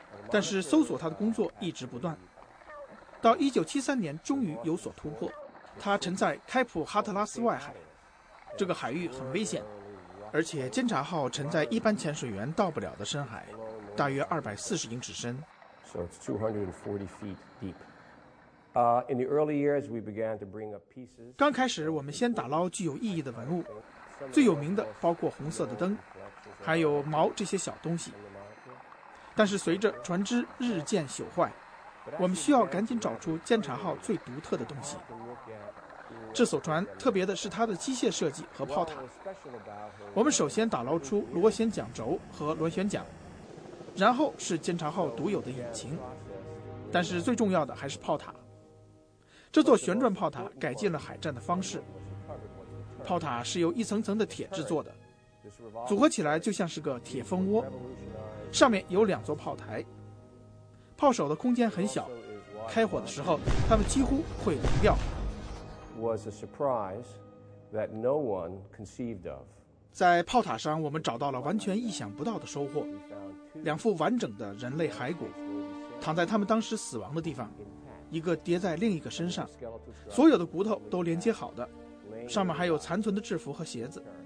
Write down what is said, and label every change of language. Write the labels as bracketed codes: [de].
[zh] 但是搜索它的工作一直不断，到1973年终于有所突破。它沉在开普哈特拉斯外海，这个海域很危险，而且监察号沉在一般潜水员到不了的深海，大约240英尺深。 [en] So it's 240 feet deep. In the early years, we began to bring up pieces. [zh] 刚开始，我们先打捞具有意义的文物，最有名的包括红色的灯，还有锚这些小东西。但是随着船只日渐朽坏，我们需要赶紧找出监察号最独特的东西。这艘船特别的是它的机械设计和炮塔。我们首先打捞出螺旋桨轴和螺旋桨，然后是监察号独有的引擎，但是最重要的还是炮塔。这座旋转炮塔改进了海战的方式，炮塔是由一层层的铁制作的，组合起来就像是个铁蜂窝，上面有两座炮台，炮手的空间很小，开火的时候，他们几乎会凉掉。 [en] Was a surprise that no one conceived of. [zh] 在炮塔上，我们找到了完全意想不到的收获：两副完整的人类骸骨，躺在他们当时死亡的地方，一个叠在另一个身上，所有的骨头都连接好的，上面还有残存的制服和鞋子。